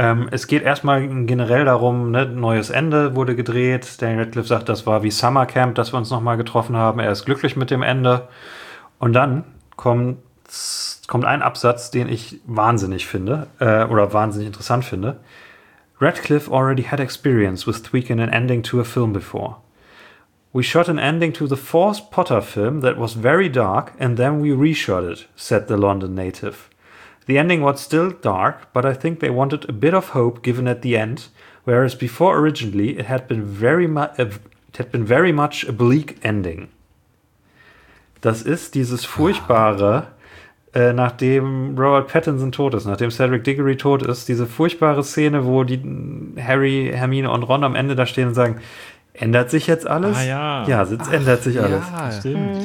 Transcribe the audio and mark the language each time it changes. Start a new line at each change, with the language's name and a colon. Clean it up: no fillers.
German: Es geht erstmal generell darum, ne, neues Ende wurde gedreht. Daniel Radcliffe sagt, das war wie Summer Camp, dass wir uns nochmal getroffen haben. Er ist glücklich mit dem Ende. Und dann kommt ein Absatz, den ich wahnsinnig finde, oder wahnsinnig interessant finde.
English: Radcliffe already had experience with tweaking an ending to a film before. We shot an ending to the fourth Potter film that was very dark, and then we reshot it, said the London native. The ending was still dark, but I think they wanted a bit of hope given at the end, whereas before originally it had been very much a bleak ending.
German: Das ist dieses furchtbare, nachdem Robert Pattinson tot ist, nachdem Cedric Diggory tot ist, diese furchtbare Szene, wo die Harry, Hermine und Ron am Ende da stehen und sagen, ändert sich jetzt alles? Ah, ja. Ja, jetzt ändert sich alles. Ja, stimmt.